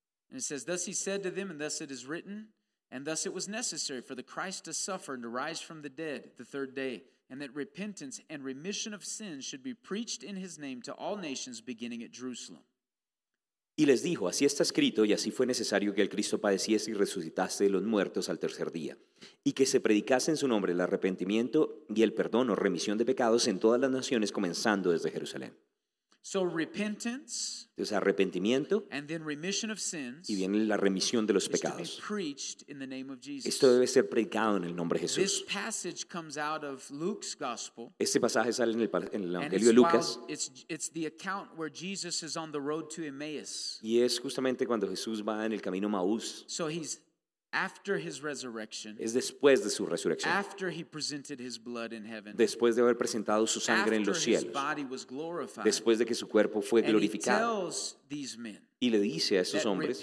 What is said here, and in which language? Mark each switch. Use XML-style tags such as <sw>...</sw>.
<en>And it says, thus he said to them, and thus it is written, and thus it was necessary for the Christ to suffer and to rise from the dead the third day, and that repentance and remission of sins should be preached in his name to all nations beginning at Jerusalem.</en> <es>Y les dijo, así está escrito, y así fue necesario que el Cristo padeciese y resucitase de los muertos al tercer día, y que se predicase en su nombre el arrepentimiento y el perdón o remisión de pecados en todas las naciones, comenzando desde Jerusalén.</es> <en>So repentance,</en> <es>entonces arrepentimiento,</es> <en>and then remission of sins,</en> <es>y viene la remisión de los pecados.</es> <en>Is to be preached in the name of Jesus.</en> <es>Esto debe ser predicado en el nombre de Jesús.</es> <en>This passage comes out of Luke's gospel.</en> <es>Este pasaje sale en el Evangelio</es> <en>it's</en> <es>de Lucas.</es> <en>It's the account where Jesus is on the road to Emmaus.</en> <es>Y es justamente cuando Jesús va en el camino a Emmaus.</es> <en>So he's after his resurrection.</en> <es>Es después de su resurrección.</es> <en>After he presented his blood in heaven.</en> <es>Después de haber presentado su sangre</es> <en>after</en> <es>en los cielos.</es> <en>His body was glorified.</en> <es>Después de que su cuerpo fue</es> <en>and</en> <es>glorificado.</es> <en>He tells these men</en> <es>y le dice a estos hombres.</es>